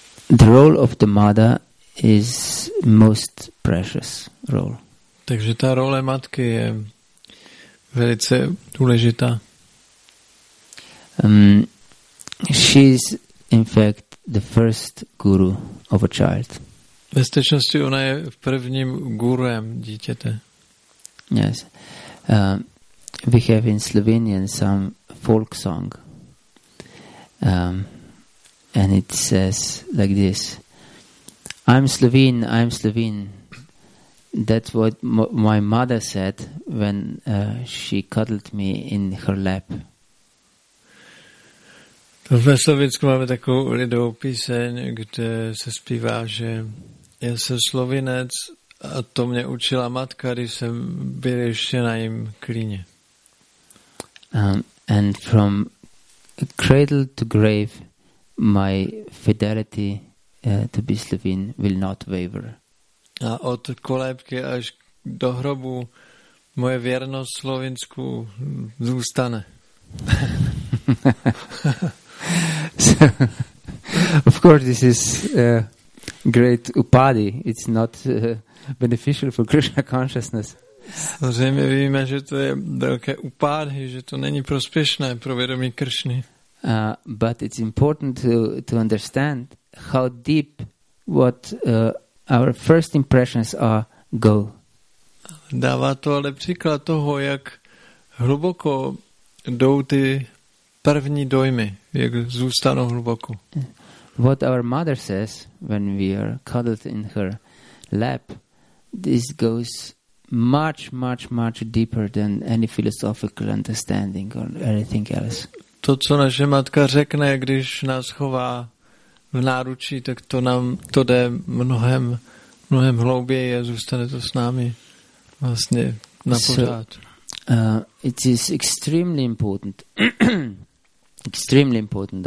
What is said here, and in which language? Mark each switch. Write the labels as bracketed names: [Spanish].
[English] The role of the mother is most precious role. [Czech] Takže ta role matky je velice důležitá. [English] She is in fact the first guru of a child. [Czech] Ve skutečnosti ona je prvním guruem dítěte. [English] Yes. We have in Slovenian some folk song. And it says like this. I'm Slovene. That's what my mother said when she cuddled me in her lap. [Czech] Ve Slovensku máme takovou lidovou píseň, kde se zpívá, že já jsem Slovinec a to mě učila matka, když jsem byl ještě na jím klíně. [English] And from cradle to grave, my fidelity to be Slovene will not waver. [Czech] A od kolébky až do hrobu moje věrnost Slovinsku zůstane. [English] So, of course, this is great upadi. It's not beneficial for Krishna consciousness. [Czech] Samozřejmě víme, že to je velké upadi, že to není prospěšné pro vědomí Kršny. [English] But it's important to understand how deep what our first impressions are go. [Czech] Dává to ale příklad toho, jak hluboko jdou ty první dojmy, jak zůstanou hluboko. [English] What our mother says when we are cuddled in her lap, this goes much, much, much deeper than any philosophical understanding or anything else. [Czech] To, co naše matka řekne, když nás chová v náručí, tak to nám to jde mnohem, mnohem hlouběji a zůstane to s námi vlastně na pořád. [English] It is extremely important. Extremely important.